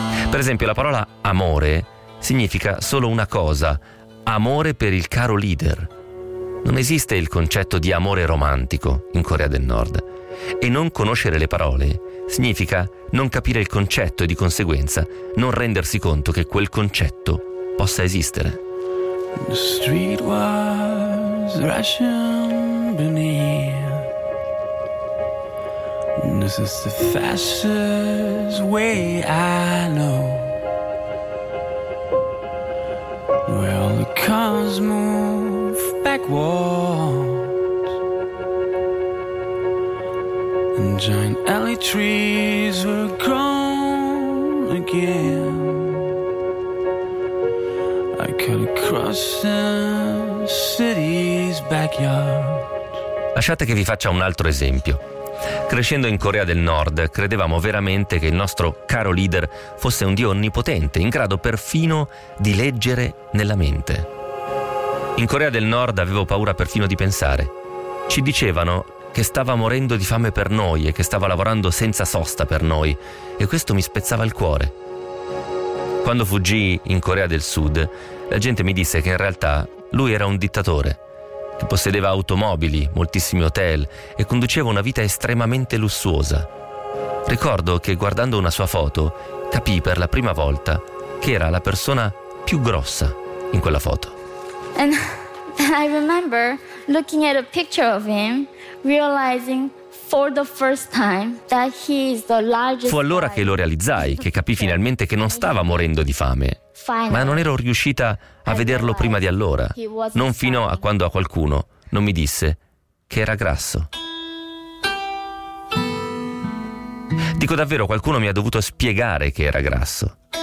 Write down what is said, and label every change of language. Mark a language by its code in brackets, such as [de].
[it] Per esempio, la parola amore significa solo una cosa: amore per il caro leader. Non esiste il concetto di amore romantico in Corea del Nord. E non conoscere le parole significa non capire il concetto e di conseguenza non rendersi conto che quel concetto possa esistere. [en] The street was rushing beneath. This is the fastest way I know. Well, the cars move backwards, and giant alley trees were grown again. I cut across the city's backyard. [it] Lasciate che vi faccia un altro esempio. Crescendo in Corea del Nord, credevamo veramente che il nostro caro leader fosse un dio onnipotente, in grado perfino di leggere nella mente. In Corea del Nord avevo paura perfino di pensare. Ci dicevano che stava morendo di fame per noi e che stava lavorando senza sosta per noi, e questo mi spezzava il cuore. Quando fuggii in Corea del Sud, la gente mi disse che in realtà lui era un dittatore, che possedeva automobili, moltissimi hotel e conduceva una vita estremamente lussuosa. Ricordo che guardando una sua foto capii per la prima volta che era la persona più grossa in quella foto. [en] And I remember looking at a picture of him, realizing for the first time that he is the largest. [it] Fu allora che lo realizzai, che capii finalmente che non stava morendo di fame. Ma non ero riuscita a vederlo prima di allora, non fino a quando a qualcuno non mi disse che era grasso. Dico davvero, qualcuno mi ha dovuto spiegare che era grasso.